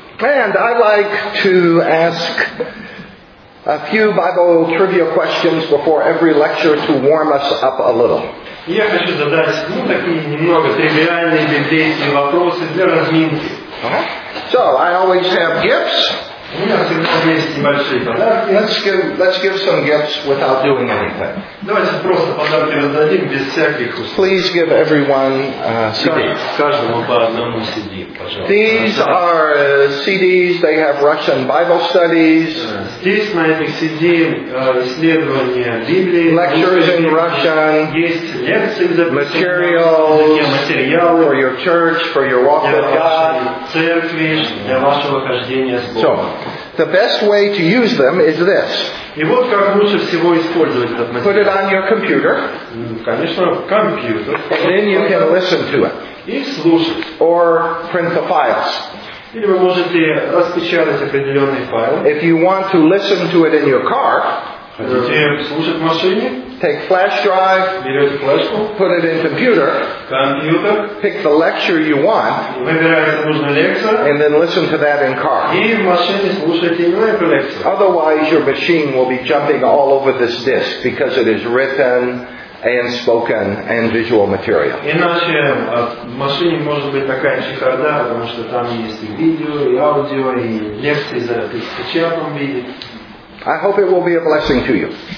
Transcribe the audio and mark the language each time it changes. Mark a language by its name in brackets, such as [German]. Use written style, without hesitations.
[English] And I like to ask a few Bible trivia questions before every lecture to warm us up a little. [Russian] Я хочу задать такие немного тривиальные библейские вопросы для разминки. [English] So I always have gifts. [Russian] У меня всегда есть небольшие подарки. [English] Let's give some gifts without doing anything. [Russian] Давайте просто подарки раздадим без всяких условий. [English] Please give everyone CDs. [Russian] Каждому по одному CD, пожалуйста. [English] These are CDs. They have Russian Bible studies. [Russian] Здесь на этих CD исследования Библии. [English] Lectures in Russian. [Russian] Есть лекции за материалы [English] for your church, for your walk with God. [Russian] Церкви для вашего хождения с Богом. [English] The best way to use them is this. [Russian] И вот как лучше всего использовать этот материал. [English] Put it on your computer. [Russian] Конечно, компьютер. [English] And then you can listen to it. [Russian] И слушать. [English] Or print the files. [Russian] Или вы можете распечатать определенный файл. [English] If you want to listen to it in your car. [Russian] Хотите слушать в машине? [English] Take flash drive. [Russian] Берете флешку. [English] Put it in computer. [Russian] Компьютер. [English] Pick the lecture you want. [Russian] Выбираете нужную лекцию. [English] And then listen to that in car. [Russian] И в машине слушайте именно эту лекцию. [English] Otherwise your machine will be jumping all over this disc because it is written and spoken and visual material. [Russian] Иначе в машине может быть такая чехарда, потому что там есть и видео, и аудио, и лекции за печатном виде. [English] I hope it will be a blessing to you.